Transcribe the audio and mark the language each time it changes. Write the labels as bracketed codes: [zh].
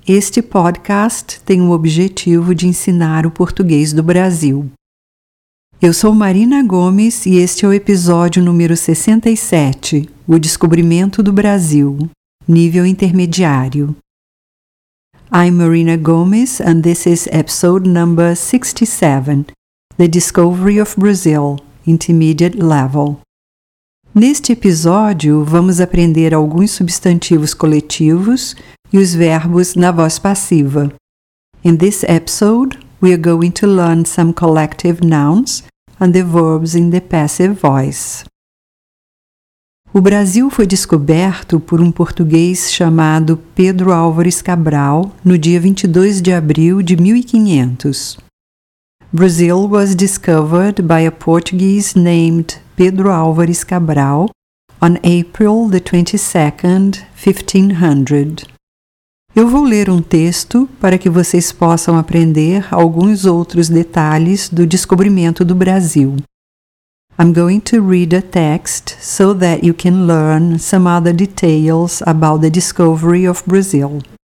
[pt] Este podcast tem o objetivo de ensinar o português do Brasil. Eu sou Marina Gomes e este é o episódio número 67, O Descobrimento do Brasil, Nível Intermediário. [en] I'm Marina Gomes and this is episode number 67. The Discovery of Brazil, Intermediate Level. [pt] Neste episódio, vamos aprender alguns substantivos coletivos e os verbos na voz passiva. [en] In this episode, we are going to learn some collective nouns and the verbs in the passive voice. [pt] O Brasil foi descoberto por um português chamado Pedro Álvares Cabral no dia 22 de abril de 1500. [en] Brazil was discovered by a Portuguese named Pedro Álvares Cabral on April the 22nd, 1500. [pt] Eu vou ler um texto para que vocês possam aprender alguns outros detalhes do descobrimento do Brasil. [en] I'm going to read a text so that you can learn some other details about the discovery of Brazil.